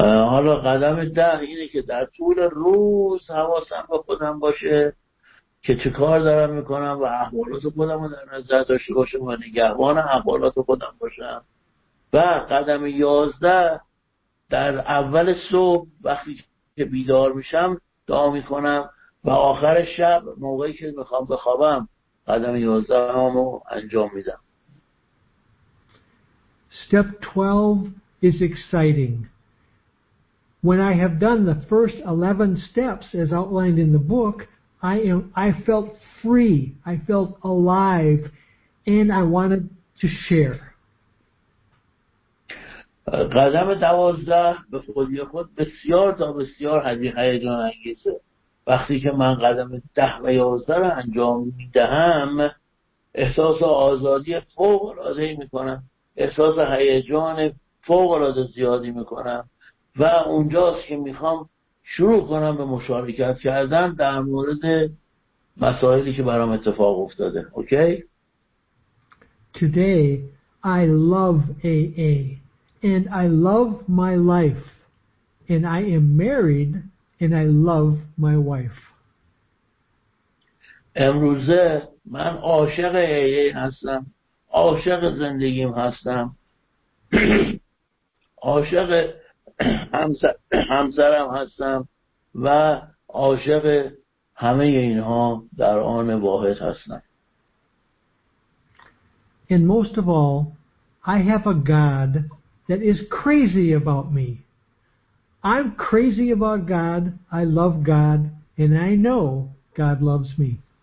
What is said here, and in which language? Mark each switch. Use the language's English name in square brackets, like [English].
[Persian] حالا قدم 10 اینه که در طول روز حواسم به خودم باشه که چه کار دارم میکنم و احوالات خودم رو در نظر داشته باشم و نگهبان احوالات خودم باشم. و قدم 11 در اول صبح وقتی که بیدار میشم دعا میکنم و آخر شب موقعی که میخوام بخوابم قدم 11 رو انجام میدم. [English] Step 12 is exciting. When I have done the first 11 steps as outlined in the book, I felt free. I felt alive and I wanted to share. [Persian] قدم 12 به خودی خود بسیار تا بسیار هیجان انگیزه. وقتی که من قدم 10 و 11 رو انجام میدهم احساس آزادی فوق العاده میکنم، احساس هیجان فوق العاده زیادی میکنم و اونجاست که میخوام شروع کنم به مشارکت کردن در مورد مسائلی که برام اتفاق افتاده. [English] Okay? Today I love AA and I love my life and I am married and I love my wife. [Persian] امروزه من عاشق AA هستم، عاشق زندگیم هستم، عاشق همسرم هستم و عاشق همه اینها در آن واحد هستم. [English] And most of all, I have a God that is crazy about me. I'm crazy about God. I love God and I know God loves me.